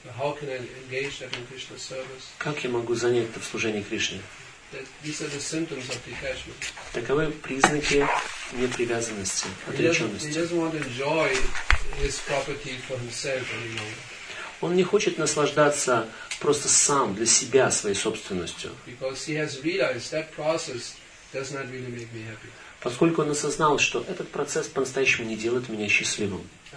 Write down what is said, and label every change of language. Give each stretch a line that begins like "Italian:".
English: How can I engage that in Krishna service?
Russian: Как я могу занять это в служении Кришне?
English: These are the symptoms of detachment.
Russian: Таковы признаки непривязанности, отреченности.
English: He doesn't want to enjoy his property for himself anymore.
Russian: Он не хочет наслаждаться просто сам, для себя, своей собственностью.
English: Because he has realized that process does not really make me happy.
Russian: Поскольку он осознал, что этот процесс по-настоящему не делает меня счастливым.